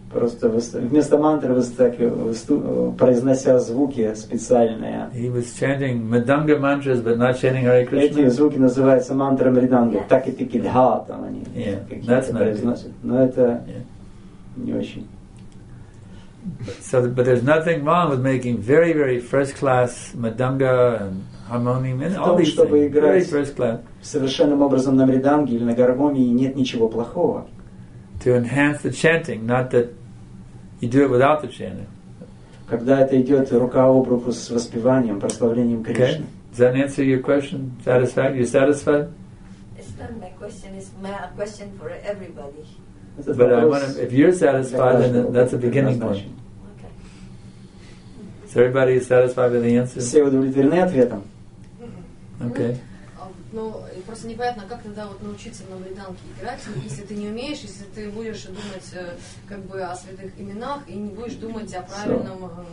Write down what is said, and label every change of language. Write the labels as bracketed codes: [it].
[ru] Просто вместо мантры произнося звуки специальные. [en] He was chanting mridanga mantras, but not chanting Hare Krishna. [ru] Эти звуки называются мантра мриданга. Таки-таки-дха, там они какие-то произносят. Но это не очень. [en] So, but there's nothing wrong with making very, very first-class madanga and harmonium and all these things. Very first-class. [ru] Совершенным образом на мриданге или на гармонии нет ничего плохого. [en] To enhance the chanting, not that you do it without the chanting. [ru] Когда это идет рука об руку с воспеванием, прославлением Кришны. [en] Does that answer your question? Satisfied? You satisfied? It's not my question. It's my question for everybody. But I want to, if you're satisfied, then that's a beginning point. Okay. So everybody is satisfied with the answer? [ru] Все удовлетворены ответом. [en] Okay. [ru] Ну, просто непонятно, как тогда вот научиться на мриданге играть, если ты не умеешь, если ты будешь думать как бы о святых именах и не будешь думать о правильном.